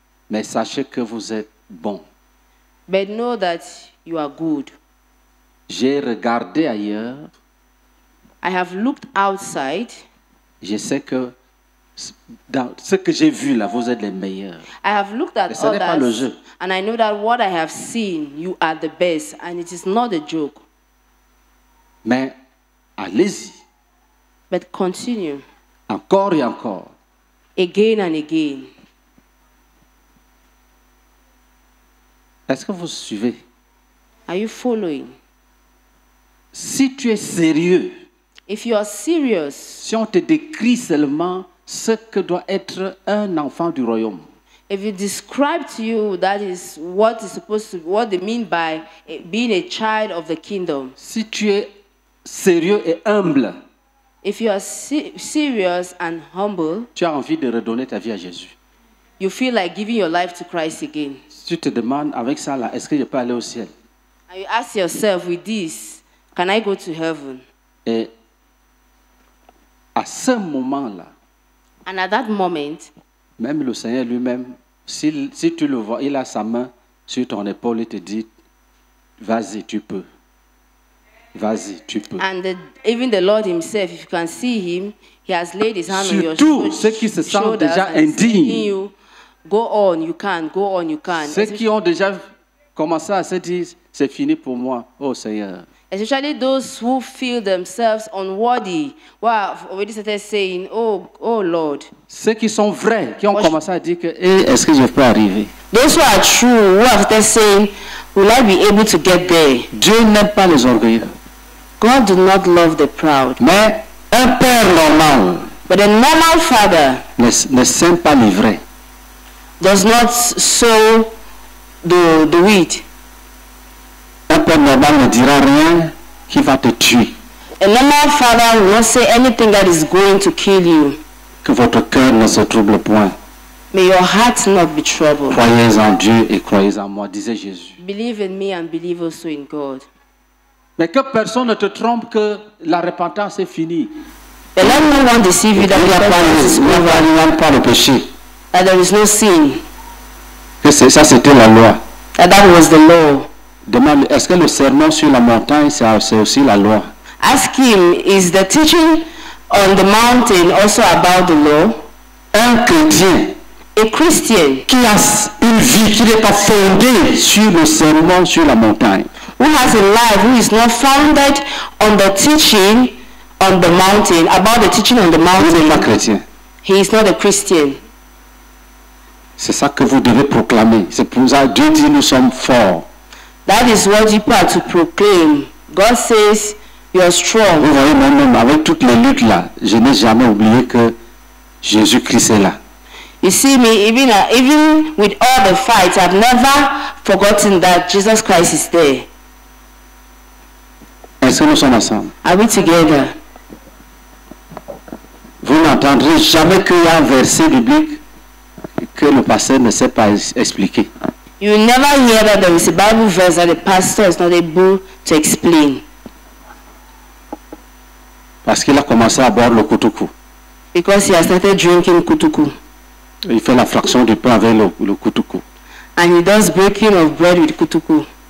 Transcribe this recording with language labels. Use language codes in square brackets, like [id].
[fr] Mais sachez que vous êtes bon. [en] But know that you are good. [fr] J'ai regardé ailleurs. [en] I have looked outside. [fr] Je sais que dans ce que j'ai vu là, vous êtes les meilleurs. [en] I have looked at others. [fr] Mais ce n'est pas le jeu. [en] And I know that what I have seen, you are the best, and it is not a joke. [fr] Mais allez-y. [en] But continue. [fr] Encore et encore. [en] Again and again. [fr] Est-ce que vous suivez? [en] Are you following? [fr] Si tu es sérieux, [en] if you are serious, [fr] si on te décrit seulement ce que doit être un enfant du royaume, [en] if you describe to you that is what is supposed to, what they mean by being a child of the kingdom, [fr] si tu es sérieux et humble, [en] if you are serious and humble, [fr] tu as envie de redonner ta vie à Jésus, [en] you feel like giving your life to Christ again. [fr] Tu te demandes avec ça là, est-ce que je peux aller au ciel? [en] And you ask yourself with this, can I go to heaven? [fr] Et à ce moment là, [en] and at that moment, [fr] même le Seigneur lui-même, si tu le vois, il a sa main sur ton épaule et te dit, vas-y, tu peux. Vas-y, tu peux. [en] And even the Lord himself, if you can see him, he has laid his hand [fr] sur [en] on your shoulder. [fr] Surtout ceux qui se sentent déjà indignes. [en] Go on, you can, go on, you can. [fr] Ceux qui ont déjà commencé à se dire, c'est fini pour moi, oh Seigneur. [en] Especially those who feel themselves unworthy, who have already started saying, oh, oh Lord. [fr] Ceux qui sont vrais, qui ont commencé à dire que, hey, est-ce que je peux arriver? [en] Those who are true, who have started saying, will I be able to get there? [fr] Dieu n'aime pas les orgueilleux. [en] God does not love the proud. [fr] Mais un père normal. [en] But a normal father. [fr] Ne sème pas les vrais. [en] Does not sow the wheat. [fr] Un père normal ne dira rien qui va te tuer. [en] A normal father will not say anything that is going to kill you. [fr] Que votre cœur ne se trouble point. [en] May your heart not be troubled. [fr] Croyez en Dieu et croyez en moi, disait Jésus. [en] Believe in me and believe also in God. [fr] Mais que personne ne te trompe que la repentance est finie. [en] And let no one deceive you that repentance is over. [fr] Ne pas le péché. [en] That there is no sin. [fr] Que ça c'était la loi. [en] And that was the law. [fr] Demande, est-ce que le sermon sur la montagne c'est aussi la loi? [en] Ask him, is the teaching on the mountain also about the law? [fr] Un chrétien, [en] a Christian, [fr] qui a une vie qui n'est pas fondée sur le sermon sur la montagne, [en] who has a life who is not founded on the teaching on the mountain, about the teaching on the mountain, [fr] il n'est pas chrétien. [en] He is not a Christian. [fr] C'est ça que vous devez proclamer. C'est pour ça que Dieu dit nous sommes forts. [en] That is what you have to proclaim. God says you are strong. [fr] Vous voyez moi-même avec toutes les luttes là, je n'ai jamais oublié que Jésus-Christ est là. [en] You see me even with all the fights, I've never forgotten that Jesus Christ is there. [fr] Est-ce que nous sommes ensemble? [en] Are we together? [fr] Vous n'entendrez jamais qu'il y a un verset biblique que le pasteur ne sait pas expliquer. [en] You never hear that there is a Bible verse that the pastor is not able to explain. [fr] Parce qu'il a commencé à boire le kutuku. [en] Because he has started drinking kutuku. [fr] Il fait la fraction du pain avec le kutuku. [en] And he does breaking of bread with kutuku.